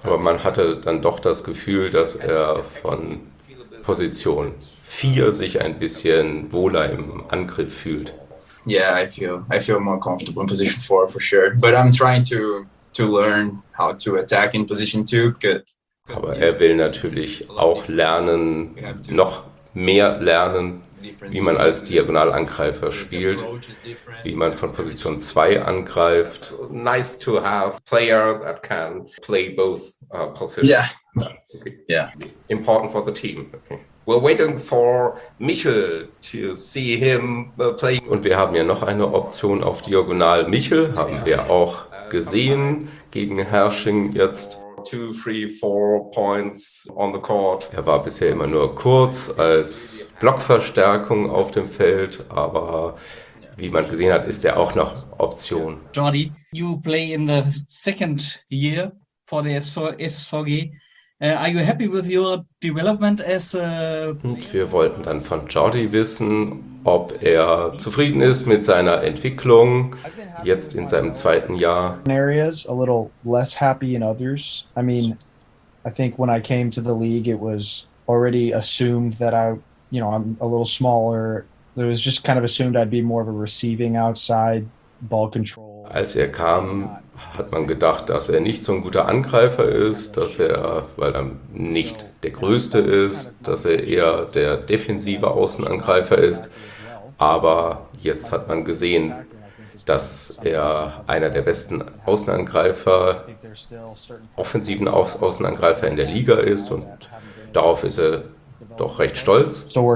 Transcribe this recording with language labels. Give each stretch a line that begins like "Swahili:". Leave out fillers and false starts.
German: Aber man hatte dann doch das Gefühl, dass er von Position 4 sich ein bisschen wohler im Angriff fühlt.
English: Yeah, I feel more comfortable in position 4 for sure, but I'm trying to learn how to attack in position 2.
German: Aber er will natürlich auch lernen, noch mehr lernen, wie man als Diagonalangreifer spielt, wie man von Position 2 angreift.
English: Nice to have player that can play both positions. Yeah. Okay. Yeah. Important for the team. Okay. We're waiting for Michel to see him playing.
German: Und wir haben ja noch eine Option auf Diagonal. Michel haben wir auch gesehen gegen Herrsching jetzt.
English: 2, 3, 4 points on the court.
German: Er war bisher immer nur kurz als Blockverstärkung auf dem Feld, aber wie man gesehen hat, ist er auch noch Option.
English: Jordi, you play in the second year for the SVG. Are you happy with your development as a...
German: Und wir wollten dann von Jordi wissen, ob er zufrieden ist mit seiner Entwicklung jetzt in seinem zweiten Jahr.
English: Areas a little less happy in others. I mean, I think when I came to the league, it was already assumed that I, you know, I'm a little smaller. It was just kind of assumed I'd be more of a receiving outside ball control.
German: Als er kam, hat man gedacht, dass er nicht so ein guter Angreifer ist, dass er, weil er nicht der Größte ist, dass er eher der defensive Außenangreifer ist. Aber jetzt hat man gesehen, dass er einer der besten Außenangreifer, offensiven Außenangreifer in der Liga ist, und darauf ist er doch recht stolz.